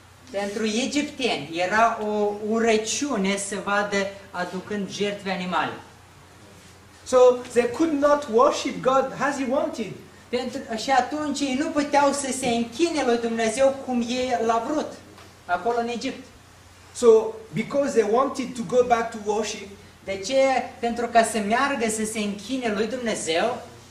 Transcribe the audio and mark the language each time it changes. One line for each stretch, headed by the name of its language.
Romanian: Pentru egipteni era o urăciune să vadă aducând jertfe animale.
English: So they could not worship God as he wanted.
Romanian: Și atunci ei nu puteau să se închine lui Dumnezeu cum ei l-a vrut acolo în Egipt.
English: So because they wanted to go back to worship.
Romanian: De ce? Pentru ca să meargă să se închine lui Dumnezeu.